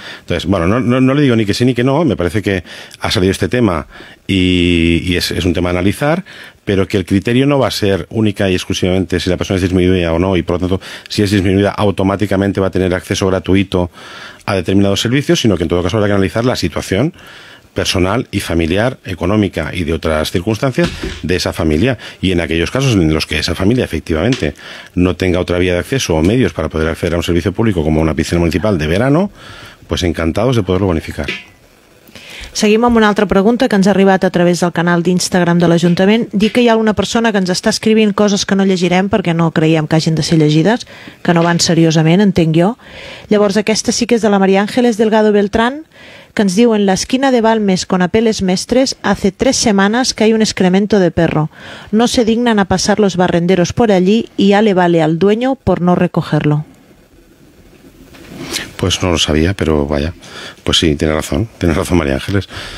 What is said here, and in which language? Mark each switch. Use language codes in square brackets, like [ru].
[es] Entonces, bueno, no le digo ni que sí ni que no, me parece que ha salido este tema y es un tema a analizar, pero que el criterio no va a ser única y exclusivamente si la persona es disminuida o no, y por lo tanto, si es disminuida, automáticamente va a tener acceso gratuito a determinados servicios, sino que en todo caso habrá que analizar la situación personal y familiar, económica y de otras circunstancias de esa familia. Y en aquellos casos en los que esa familia efectivamente no tenga otra vía de acceso o medios para poder acceder a un servicio público como una piscina municipal de verano, pues encantados de poderlo bonificar. [ca] Seguim amb una altra pregunta que ens ha arribat a través del canal d'Instagram de l'Ajuntament. Dic que hi ha una persona que ens està escrivint coses que no llegirem perquè no creiem que hagin de ser llegides, que no van seriosament, entenc jo. Llavors, aquesta sí que és de la Maria Ángeles Delgado Beltrán, [es] que ens diu en la esquina de Balmes con Apeles Mestres hace 3 semanas que hay un excremento de perro. No se dignan a pasar los barrenderos por allí y ya le vale al dueño por no recogerlo. Pues no lo sabía, pero vaya, pues sí, tiene razón María Ángeles.